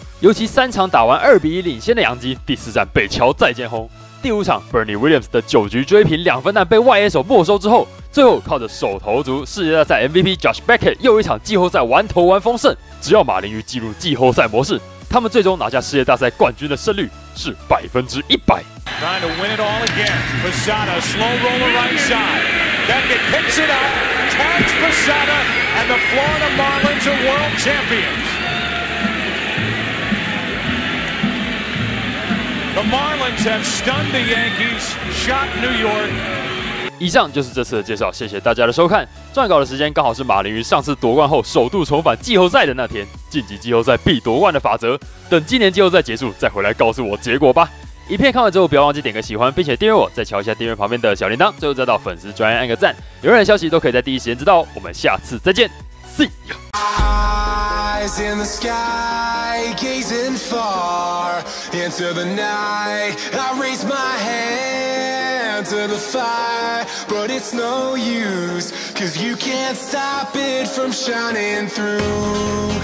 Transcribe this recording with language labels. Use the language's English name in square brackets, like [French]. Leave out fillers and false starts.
[Chinese] 尤其三场打完2-1领先的洋基，第四战被乔再见轰，第五场 Bernie Williams 的九局追平两分弹被外野手没收之后，最后靠着手投足世界大赛 MVP Josh Beckett 又一场季后赛玩投玩丰盛，只要马林鱼进入季后赛模式，他们最终拿下世界大赛冠军的胜率是100%。 [English] Trying to win it all again. Posada, slow roller right side. Beckett picks it up, tags Posada, and the Florida Marlins are world champions. The Marlins have stunned the Yankees, shocked New York. [Chinese] 以上就是这次的介绍，谢谢大家的收看。撰稿的时间刚好是马林鱼上次夺冠后首度重返季后赛的那天，晋级季后赛必夺冠的法则，等今年季后赛结束再回来告诉我结果吧。影片看完之后不要忘记点个喜欢，并且订阅我，再敲一下订阅旁边的小铃铛，最后再到粉丝专页按个赞，有任何消息都可以在第一时间知道哦。我们下次再见， [English] See you。 Eyes in the sky, gazing far into the night. I raise my hand to the fire, but it's no use, 'cause you can't stop it from shining through.